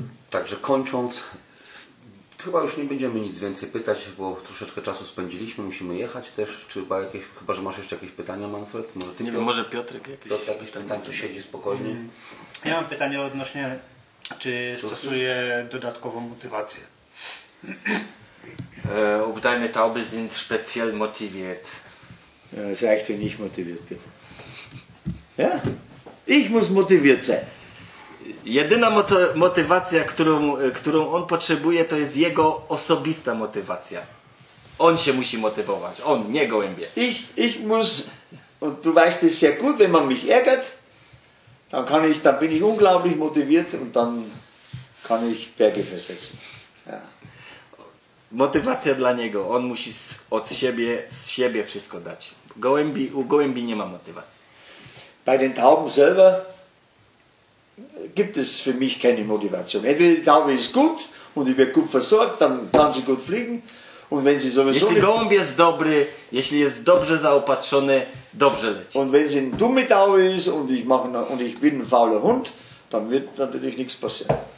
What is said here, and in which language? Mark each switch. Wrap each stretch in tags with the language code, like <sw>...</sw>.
<pl>Także kończąc, chyba już nie będziemy nic więcej pytać, bo troszeczkę czasu spędziliśmy, musimy jechać też. Chyba, że masz jeszcze jakieś pytania, Manfred? Może ty, nie wiem, może Piotrek jakieś pytania. Jakieś pytanie, tu siedzi spokojnie. Ja mam pytanie odnośnie, czy stosuje dodatkową motywację.</pl> <de>Ob deine Tauben sind speziell motiviert? Ja, es reicht, wenn ich motiviert bin. Ja, ich muss motiviert sein.</de> <pl>Jedyna motywacja, którą on potrzebuje, to jest jego osobista motywacja. On się musi motywować. On, nie gołębie.</pl> <de>Ich muss, und du weißt es sehr gut, wenn man mich ärgert, dann bin ich unglaublich motiviert und dann kann ich Berge versetzen.</de> <pl>Motywacja dla niego. On musi z siebie wszystko dać. U gołębi nie ma motywacji.</pl> <de>Bei den Tauben selber gibt es für mich keine Motivation. Entweder die Taube ist gut und die wird gut versorgt, dann kann sie gut fliegen. Und wenn sie sowieso</de> <pl>jeśli gołąb jest dobry, jeśli jest dobrze zaopatrzony, dobrze leci.</pl> <de>Und wenn sie eine dumme Taube ist und ich bin ein fauler Hund, dann wird natürlich nichts passieren.</de>